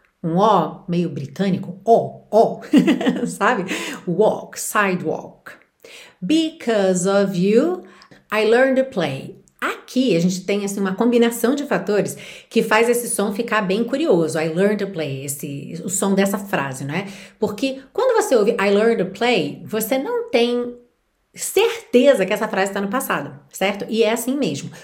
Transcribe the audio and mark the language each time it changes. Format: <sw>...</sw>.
<pt>Um O meio britânico, O, sabe?</pt> <en>Walk, sidewalk. Because of you, I learned to play.</en> <pt>Aqui a gente tem assim uma combinação de fatores que faz esse som ficar bem curioso.</pt> <en>I learned to play,</en> <pt>o som dessa frase, não é? Porque quando você ouve I learned to play, você não tem certeza que essa frase está no passado, certo? E é assim mesmo.</pt>